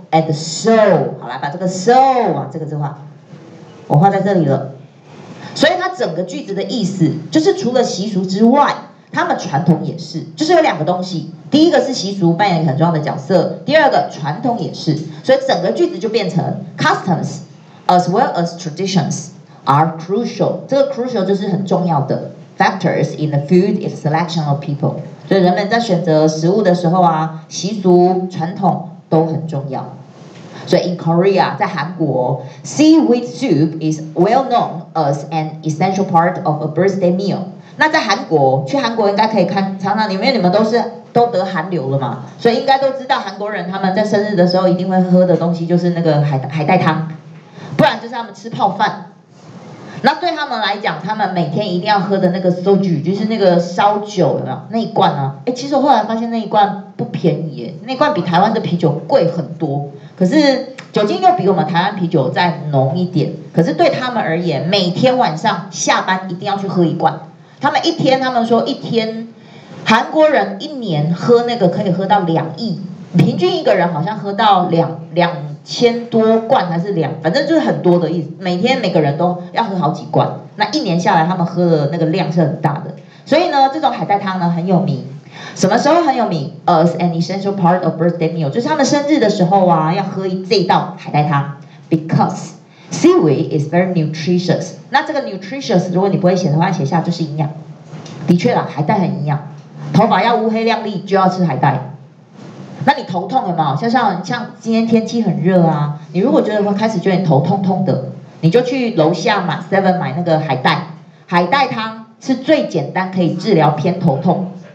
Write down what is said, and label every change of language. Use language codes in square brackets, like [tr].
[en] and so， [zh] 好来把这个 so 往这个字画，我画在这里了。所以它整个句子的意思就是，除了习俗之外，他们传统也是，就是有两个东西，第一个是习俗扮演一个很重要的角色，第二个传统也是。所以整个句子就变成 [en] customs as well as traditions are crucial， 这个 crucial [zh] 就是很重要的 [en] factors in the food selection of people。 [zh] 所以人们在选择食物的时候啊，习俗传统都很重要。 [en] 所以 in Korea， [zh] 在韩国， [en] seaweed soup is well known as an essential part of a birthday meal。 [zh] 那在韩国，去韩国应该可以看常常，因为你们都得韩流了嘛，所以应该都知道韩国人他们在生日的时候一定会喝的东西就是那个海带汤，不然就是他们吃泡饭。那对他们来讲，他们每天一定要喝的那个 soju， 就是那个烧酒，有没有那一罐啊？哎，其实我后来发现那一罐不便宜耶，那罐比台湾的啤酒贵很多，可是酒精又比我们台湾啤酒再浓一点，可是对他们而言，每天晚上下班一定要去喝一罐。他们一天，他们说一天，韩国人一年喝那个可以喝到两亿平均一个人好像喝到2000多罐还是两，反正就是很多的意思。每天每个人都要喝好几罐，那一年下来他们喝的那个量是很大的。所以呢，这种海带汤呢很有名。什么时候很有名 ？ [en] As an essential part of birthday meal， [zh] 就是他们生日的时候啊，要喝这道海带汤。 [en] Because seaweed is very nutritious。 [zh] 那这个 nutritious， 如果你不会写的话，写下就是营养。的确啦，海带很营养。头发要乌黑亮丽，就要吃海带。那你头痛有没有？像今天天气很热啊，你如果觉得会开始觉得头痛痛的，你就去楼下买 Seven 买那个海带，海带汤是最简单可以治疗偏头痛。